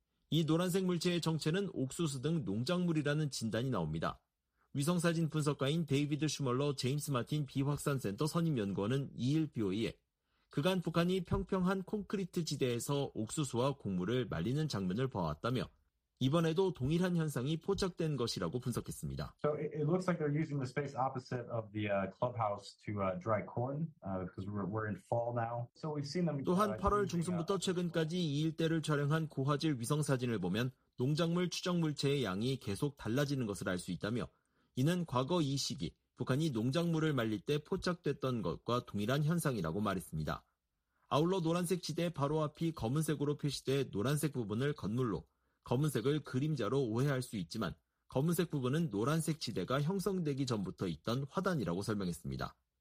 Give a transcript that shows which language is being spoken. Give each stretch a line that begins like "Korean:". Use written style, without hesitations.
Korean: 이 노란색 물체의 정체는 옥수수 등 농작물이라는 진단이 나옵니다. 위성사진 분석가인 데이비드 슈멀러 제임스 마틴 비확산센터 선임연구원은 2일 BOE에 그간 북한이 평평한 콘크리트 지대에서 옥수수와 곡물을 말리는 장면을 보았다며 이번에도 동일한 현상이 포착된 것이라고 분석했습니다.
English: So it looks like they're using the space opposite of the clubhouse to dry corn because we're in fall now. So we've seen them.
Korean: 또한 8월 중순부터 최근까지 이 일대를 촬영한 고화질 위성 사진을 보면 농작물 추적 물체의 양이 계속 달라지는 것을 알 수 있다며 이는 과거 이 시기 북한이 농작물을 말릴 때 포착됐던 것과 동일한 현상이라고 말했습니다. 아울러 노란색 지대 바로 앞이 검은색으로 표시돼 노란색 부분을 건물로 검은색을 그림자로 오해할 수 있지만 검은색 부분은 노란색 지대가 형성되기 전부터 있던 화단이라고 설명했습니다.